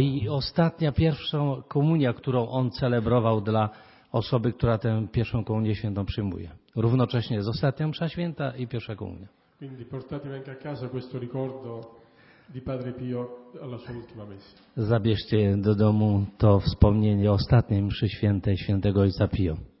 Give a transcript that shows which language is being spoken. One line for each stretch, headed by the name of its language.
Polish: i ostatnia pierwsza komunia, którą on celebrował dla osoby, która tę pierwszą komunię świętą przyjmuje. Równocześnie z ostatnią msza święta i pierwsza komunia.
Italian: Quindi portatevi anche a casa questo ricordo di Padre Pio alla sua ultima messa.
Polish: Zabierzcie do domu to wspomnienie ostatniej mszy świętej świętego Ojca Pio.